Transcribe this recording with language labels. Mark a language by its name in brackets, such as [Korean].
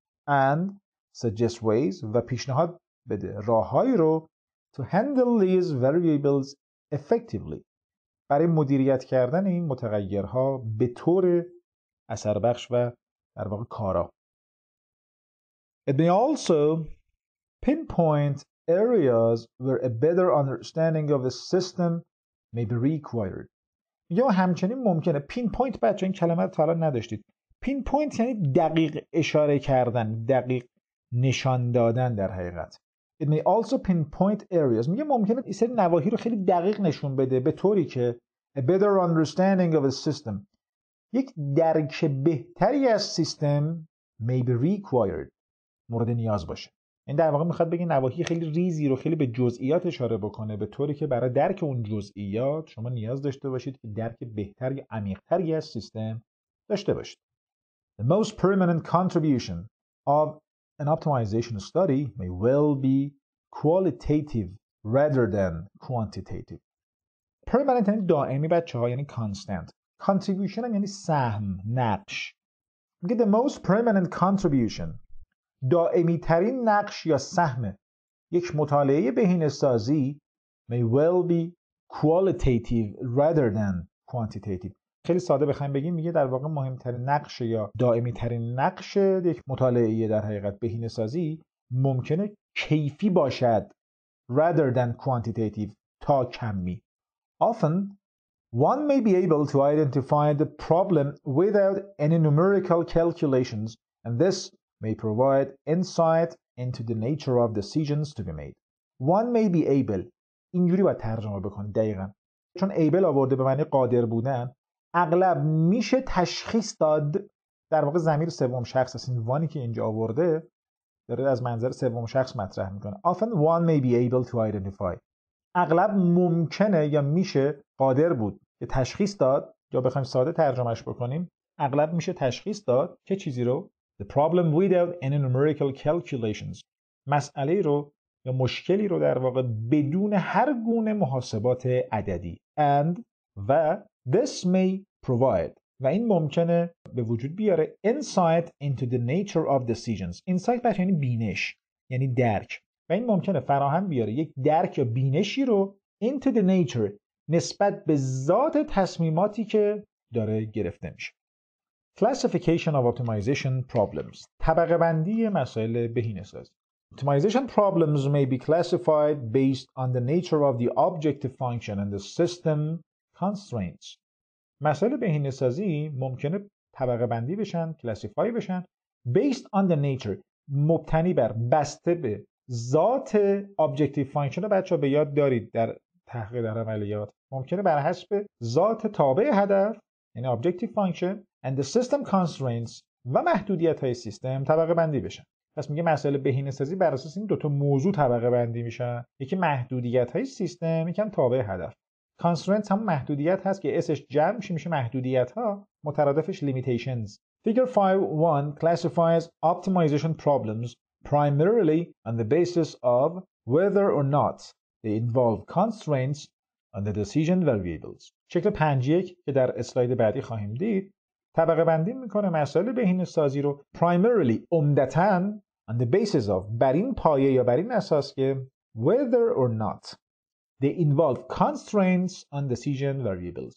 [English] And suggest ways [Persian] و پیشنهاد بده راههایی رو [English] to handle these variables effectively. [Persian] برای مدیریت کردن این متغیرها به طور اثر بخش و در واقع کارا. [English] It may also pinpoint areas where a better understanding of the system may be required. [Persian] یا همچنین ممکنه pinpoint، بچه این کلمه رو تا الان نداشتید. Pinpoint یعنی دقیق اشاره کردن، دقیق نشان دادن در حقیقت. [English] It may also pinpoint areas. [Persian] میگه ممکنه این سری نواحی رو خیلی دقیق نشون بده به طوری که [English] a better understanding of the system. [Persian] یک درک بهتری از سیستم [English] may be required. [Persian] مورد نیاز باشه. این در واقع میخواد بگه نواحی خیلی ریزی رو خیلی به جزئیات اشاره بکنه به طوری که برای درک اون جزئیات شما نیاز داشته باشید که درک بهتر یا عمیق‌تری از سیستم داشته باشید. [English] The most permanent contribution of an optimization study may well be qualitative rather than quantitative. [Persian] Permanent یعنی دائمی بچه‌ها، یعنی constant. Contribution یعنی سهم، نقش. میگه [English] the most permanent contribution، [Persian] دائمی ترین نقش یا سهم یک مطالعه بهینه‌سازی [English] may well be qualitative rather than quantitative. [Persian] خیلی ساده بخوایم بگیم، میگه در واقع مهمترین نقش یا دائمی ترین نقش یک مطالعه در حقیقت بهینه‌سازی ممکنه کیفی باشد [English] rather than quantitative، [Persian] تا کمی. [English] Often one may be able to identify the problem without any numerical calculations and this may provide insight into the nature of decisions to be made. One may be able. [Persian] اینجوری باید ترجمه بکنه دقیقاً. چون able آورده به معنی قادر بودن، اغلب میشه تشخیص داد. در واقع ضمیر سوم شخص است، این وانی که اینجا آورده داره از منظر سوم شخص مطرح میکنه. [English] Often one may be able to identify. [Persian] اغلب ممکنه یا میشه قادر بود که تشخیص داد، یا بخوایم ساده ترجمهش بکنیم، اغلب میشه تشخیص داد که چیزی رو، [English] the problem without any numerical calculations، [Persian] مسئله رو یا مشکلی رو در واقع بدون هر گونه محاسبات عددی. [English] And و this may provide، [Persian] و این ممکنه به وجود بیاره [English] insight into the nature of decisions. [Persian] Insight بچه یعنی بینش، یعنی درک، و این ممکنه فراهم بیاره یک درک یا بینشی رو [English] into the nature، [Persian] نسبت به ذات تصمیماتی که داره گرفته میشه. [English] Classification of optimization problems. [Persian] طبقه بندی مسائل بهینه‌سازی. [English] Optimization problems may be classified based on the nature of the objective function and the system constraints. [Persian] مسائل بهینه‌سازی ممکنه طبقه بندی بشن، کلاسیفای بشن [English] based on the nature، [Persian] مبتنی بر، بسته به ذات objective function. بچه‌ها به یاد دارید در تحقیق در عملیات ممکنه بر حسب ذات تابع هدف، یعنی [English] objective function and the system constraints، [Persian] و محدودیت های سیستم طبقه بندی بشن. پس میگه مسائل بهینه سازی بر اساس این دوتا موضوع طبقه بندی میشن، یکی محدودیت های سیستم، یکم تابع هدف. constraints هم محدودیت هست که اسش جمع میشه، میشه محدودیت ها، مترادفش limitations. [English] figure 5.1 classifies optimization problems primarily on the basis of whether or not they involve constraints on the decision variables. [Persian] شکل 5.1 که در اسلاید بعدی خواهیم دید طبقه بندی میکنه مسائل بهینه‌سازی رو primarily، عمدتاً، on the basis of، بر این پایه یا بر این اساس که [English] whether or not they involve constraints on decision variables.